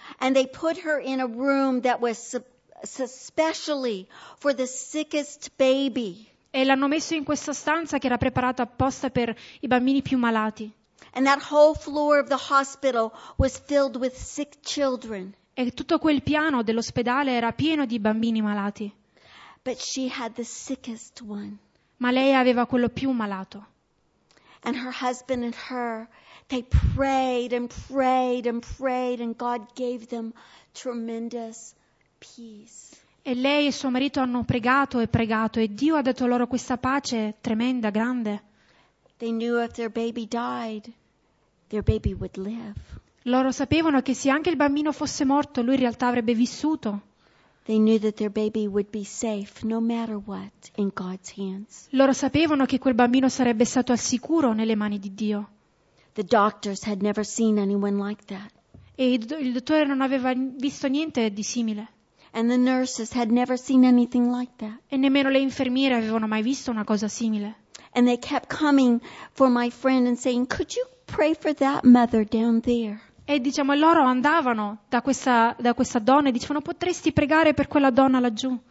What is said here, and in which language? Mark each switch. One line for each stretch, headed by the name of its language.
English: And they put her in a room that was specially for the sickest baby.
Italian: E l'hanno messo in questa stanza che era preparata apposta per i bambini più malati.
English: And that whole floor of the hospital was filled with sick children.
Italian: E tutto quel piano dell'ospedale era pieno di bambini malati.
English: But she had the sickest one.
Italian: Ma lei aveva quello più malato.
English: And her husband and her, they prayed and prayed and prayed, and God gave them tremendous peace.
Italian: E lei e suo marito hanno pregato e pregato, e Dio ha dato loro questa pace tremenda, grande.
English: They knew if their baby died, their baby would live.
Italian: Loro sapevano che se anche il bambino fosse morto, lui in realtà avrebbe vissuto.
English: They knew that their baby would be safe no matter what in God's hands.
Italian: Loro sapevano che quel bambino sarebbe stato al sicuro nelle mani di Dio.
English: The doctors had never seen anyone like that.
Italian: E il dottore non aveva visto niente di simile.
English: And the nurses had never seen anything like that.
Italian: E nemmeno le infermiere avevano mai visto una cosa simile.
English: And they kept coming for my friend and saying, "Could you pray for that mother down there?"
Italian: E diciamo, loro andavano da questa donna e dicevano, potresti pregare per quella donna laggiù?